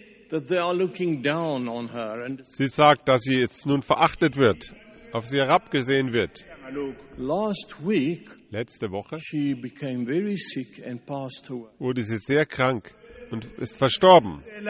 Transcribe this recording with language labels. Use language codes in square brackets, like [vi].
[en] that they are looking down on her. And [de] sie sagt, dass sie jetzt nun verachtet wird, auf sie herabgesehen wird. [en] Last week, [de] letzte Woche, [en] she became very sick and passed away. [de] Wurde sie sehr krank und ist verstorben.